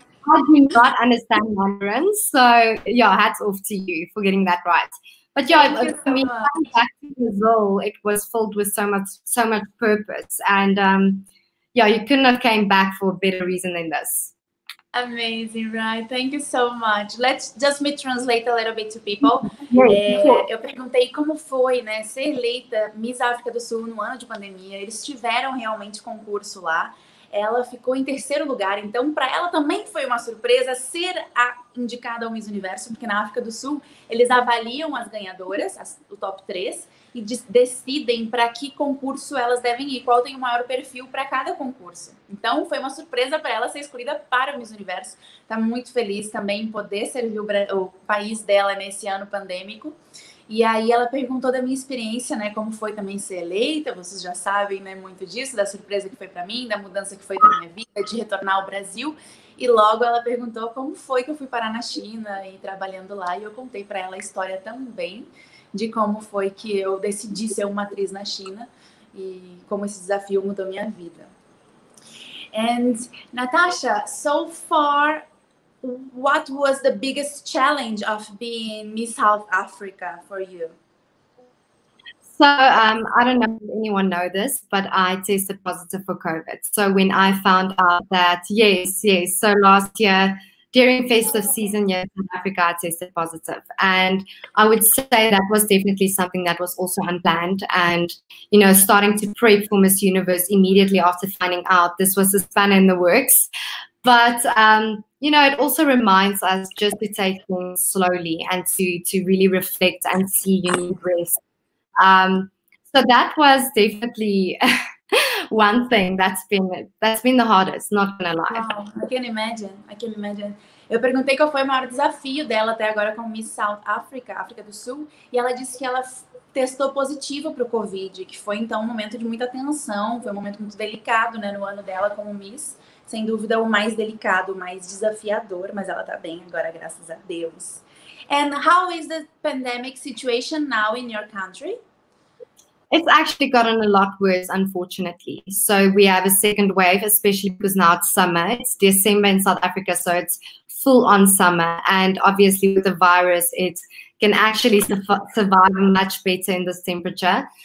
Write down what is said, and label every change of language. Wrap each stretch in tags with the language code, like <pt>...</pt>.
<en>I do not understand Mandarin, so yeah, hats off to you for getting that right. But yeah, for me, coming back to Brazil, it was filled with so much purpose, and yeah, you couldn't have came back for a better reason than this. Amazing, right? Thank you so much. Let's just me translate a little bit to people.</en> <pt>Eu perguntei como foi, né, ser eleita Miss África do Sul no ano de pandemia. Eles tiveram realmente concurso lá. Ela ficou em terceiro lugar, então para ela também foi uma surpresa ser a indicada ao Miss Universo, porque na África do Sul eles avaliam as ganhadoras, o top 3, e decidem para que concurso elas devem ir, qual tem o maior perfil para cada concurso. Então foi uma surpresa para ela ser escolhida para o Miss Universo. Está muito feliz também em poder servir o país dela nesse ano pandêmico. E aí ela perguntou da minha experiência, né, como foi também ser eleita, vocês já sabem, né, muito disso, da surpresa que foi para mim, da mudança que foi da minha vida, de retornar ao Brasil. E logo ela perguntou como foi que eu fui parar na China e trabalhando lá, e eu contei para ela a história também de como foi que eu decidi ser uma atriz na China e como esse desafio mudou minha vida.</pt> <en>And Natasha, so far, what was the biggest challenge of being Miss South Africa for you? So I don't know if anyone knows this, but I tested positive for COVID. So when I found out that, yes, so last year, during festive season here in South Africa, I tested positive. And I would say that was definitely something that was also unplanned. And, you know, starting to prep for Miss Universe immediately after finding out this was a spanner in the works. But, you know, it also reminds us just to take things slowly and to really reflect and see you need rest. So that was definitely one thing that's been the hardest, not gonna lie. Wow, I can imagine.</en> <pt>Eu perguntei qual foi o maior desafio dela até agora com Miss South Africa, África do Sul, e ela disse que ela testou positivo para o Covid, que foi então um momento de muita tensão, foi um momento muito delicado, né, no ano dela como Miss. Sem dúvida, o mais delicado, o mais desafiador, mas ela está bem agora, graças a Deus.</pt> <en>And how is the pandemic situation now in your country? It's actually gotten a lot worse, unfortunately. So we have a second wave, especially because now it's summer. It's December in South Africa, so it's full on summer. And obviously with the virus, it can actually survive much better in this temperature.</en>